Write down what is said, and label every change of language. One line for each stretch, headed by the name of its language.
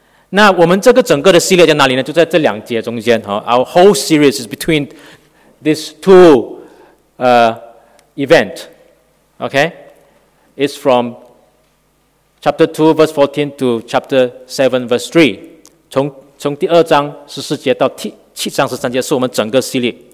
Chinese: 那我们这个整个的系列在哪里呢？就在这两节中间。
English: Our whole series is between these two events. Okay, it's from chapter 2, verse 14 to chapter 7, verse 3.
Chinese: 从第二章十四节到七章十三节是我们整个系列。